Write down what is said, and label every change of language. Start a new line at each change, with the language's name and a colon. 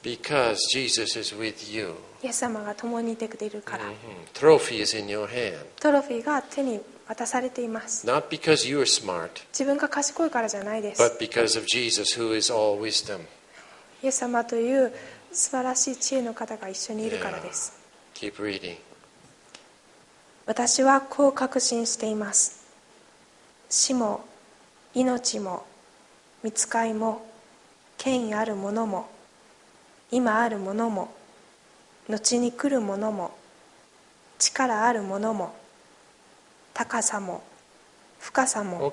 English: Because Jesus is with you.
Japanese: イエス様が共にいてくれるから。
English: Trophy is in your hand.
Japanese: トロフィーが手に渡されています。
English: Not because you are smart.
Japanese: 自分が賢いからじゃないです。
English: But because of Jesus, who is all wisdom.
Japanese: イエス様という素晴らしい知恵の方が一緒にいるからです。
English: Keep reading.
Japanese: 私はこう確信しています。死も命も御使いも権威あるものも今あるものも後に来るものも力あるものも高さも深さも